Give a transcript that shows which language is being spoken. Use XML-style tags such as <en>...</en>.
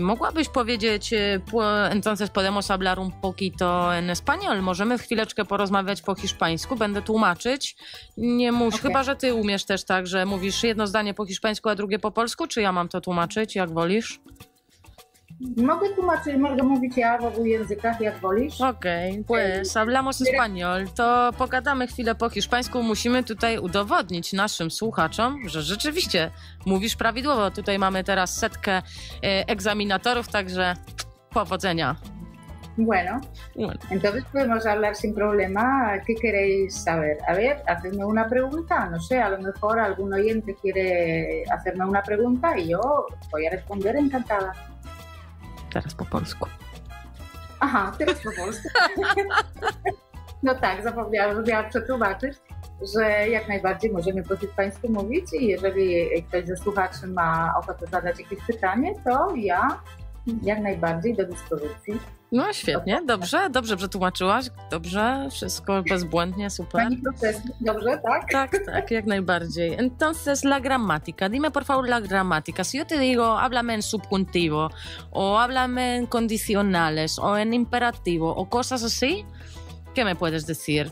<pl>Mogłabyś powiedzieć,</pl> <es>entonces podemos hablar un poquito en español?</es> <pl>Możemy chwileczkę porozmawiać po hiszpańsku, będę tłumaczyć. Nie musisz, okay. Chyba że ty umiesz też tak, że mówisz jedno zdanie po hiszpańsku, a drugie po polsku, czy ja mam to tłumaczyć, jak wolisz? Mogę tłumaczyć, mogę mówić ja w obu językach, jak wolisz.</pl> <es>Okej, okay, pues hablamos español.</es> <pl>To pogadamy chwilę po hiszpańsku. Musimy tutaj udowodnić naszym słuchaczom, że rzeczywiście mówisz prawidłowo. Tutaj mamy teraz setkę egzaminatorów, także powodzenia.</pl> <es>Bueno, entonces podemos hablar sin problema. ¿Qué queréis saber? A ver, hacerme una pregunta. No sé, a lo mejor algún oyente quiere hacerme una pregunta y yo voy a responder encantada.</es> <pl>Teraz po polsku. Aha, teraz po polsku. No tak, zapomniałam, że miałam przetłumaczyć, że jak najbardziej możemy po hiszpańsku mówić i jeżeli ktoś ze słuchaczy ma ochotę zadać jakieś pytanie, to ja jak najbardziej do dyspozycji. No świetnie, dobrze przetłumaczyłaś, dobrze, wszystko bezbłędnie, super. Pani profesor, dobrze, tak? Tak, jak najbardziej.</pl> <es>Entonces la gramática, dime por favor la gramática. Si yo te digo, háblame en subjuntivo, o háblame en condicionales, o en imperativo, o cosas así, ¿qué me puedes decir?</es>